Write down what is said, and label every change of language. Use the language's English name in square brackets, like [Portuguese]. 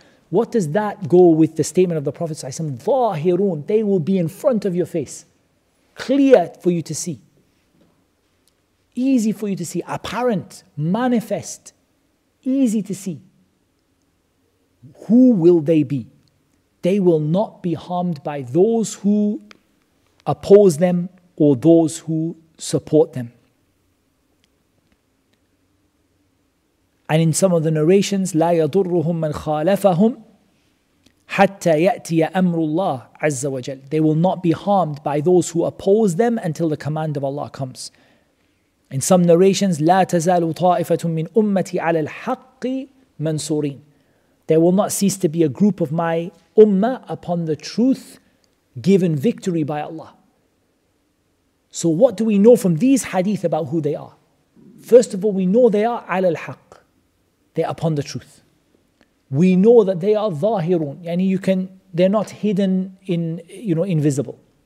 [English] What does that go with the statement of the Prophet ﷺ? Zahirun, they will be in front of your face, clear for you to see, easy for you to see, apparent, manifest, easy to see. Who will they be? They will not be harmed by those who oppose them or those who support them. And in some of the narrations, [Arabic] لا يضرهم من خالفهم حتى يأتي أمر الله عز وجل. [English] They will not be harmed by those who oppose them until the command of Allah comes. In some narrations, [Arabic] لا تزال طائفة من أمتي على الحق منصورين. [English] There will not cease to be a group of my ummah upon the truth given victory by Allah. So what do we know from these hadith about who they are? First of all, we know they are ala al-haq. They're upon the truth. We know that they are zahirun. Yani you can, they're not hidden in, you know, invisible.